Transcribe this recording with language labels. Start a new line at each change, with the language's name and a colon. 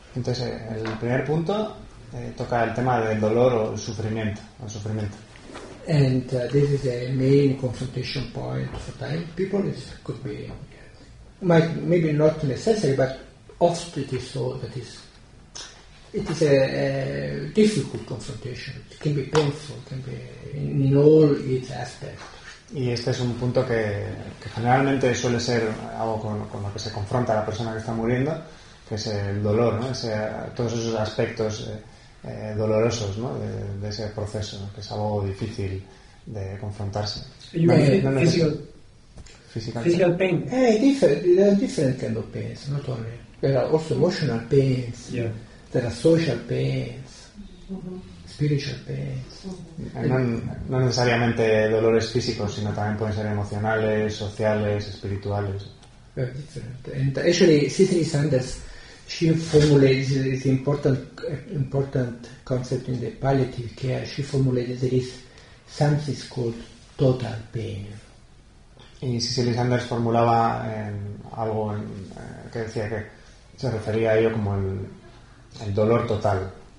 Spanish: Entonces, el primer punto toca el tema del dolor o el sufrimiento, el sufrimiento.
English: And this is a main confrontation point for time. People, it could be, might maybe not necessary, but often it is so that is. It is a difficult confrontation. It can be painful. It can be in all its aspects.
Spanish: Y este es un punto que generalmente suele ser algo con lo que se confronta a la persona que está muriendo, que es el dolor, ¿no? Ese, todos esos aspectos dolorosos, ¿no? De ese proceso, ¿no? Que es algo difícil de confrontarse.
English: Physical pain. There are different kind of pains, not only. There are also emotional pains. Yeah. There are social pains, spiritual pains.
Spanish: No necesariamente dolores físicos, sino también pueden ser emocionales, sociales, espirituales.
English: Very different. And actually, Cecily Sanders, she formulated this important concept in the palliative care. She formulated there is something called total pain.
Spanish: Y Cecily Sanders formulaba algo que decía que se refería a ello como el dolor total.